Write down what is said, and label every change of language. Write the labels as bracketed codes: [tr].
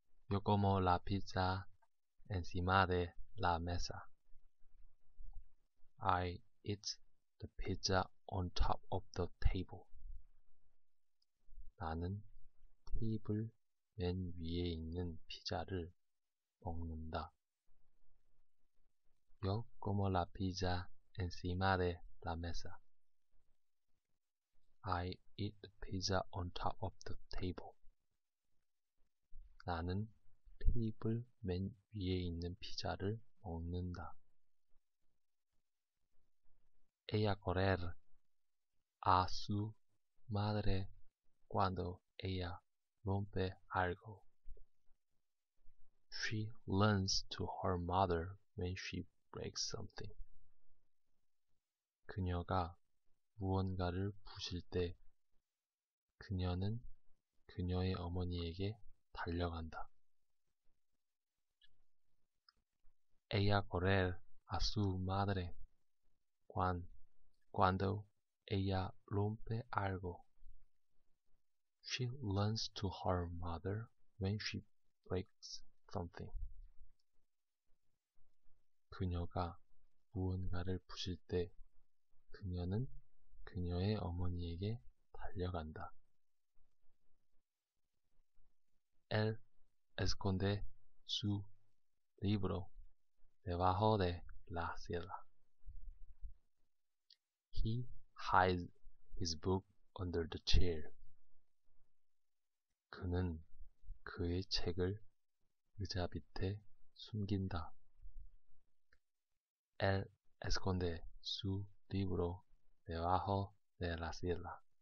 [es] Yo como la pizza encima de la mesa. [en] I eat the pizza on top of the table. [ko] 나는 테이블 맨 위에 있는 피자를 먹는다. [es] Yo como la pizza encima de la mesa. [en] I eat the pizza on top of the table. [ko] 나는 테이블 맨 위에 있는 피자를 먹는다. [es] Ella correr a su madre cuando ella rompe algo. [en] She runs to her mother when she breaks something. [ko] 그녀가 무언가를 부실 때 그녀는 그녀의 어머니에게 달려간다. [es] Ella corre a su madre cuando ella rompe algo. [en] She runs to her mother when she breaks something. [ko] 그녀가 무언가를 부실 때 그녀는 그녀의 어머니에게 달려간다. [es] Él esconde su libro debajo de la silla. [en] He hides his book under the chair. [ko] 그는 그의 책을 의자 밑에 숨긴다. [es] Él esconde su libro debajo de la silla.